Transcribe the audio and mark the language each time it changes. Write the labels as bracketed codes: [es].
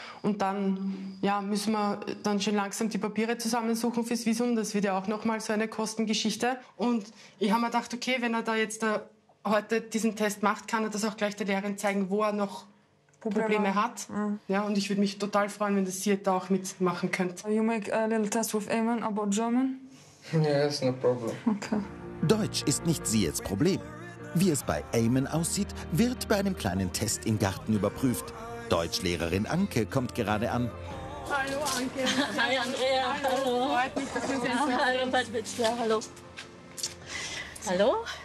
[de] Und dann müssen wir dann schon langsam die Papiere zusammensuchen fürs Visum. Das wird ja auch nochmal so eine Kostengeschichte. Und ich habe mir gedacht, okay, wenn er da jetzt heute diesen Test macht, kann er das auch gleich der Lehrerin zeigen, wo er noch Probleme hat. Mm. Ja, und ich würde mich total freuen, wenn das Siad da auch mitmachen könnte. [en] You make a little test with Eamon about German? Yes, no problem. Okay. [de] Deutsch ist nicht Siads Problem. Wie es bei Eamon aussieht, wird bei einem kleinen Test im Garten überprüft. Deutschlehrerin Anke kommt gerade an. Hallo Anke. Hi Andrea. Hallo. Freut mich, dass wir sehen. Hallo Patrick. Ja, hallo. Hallo.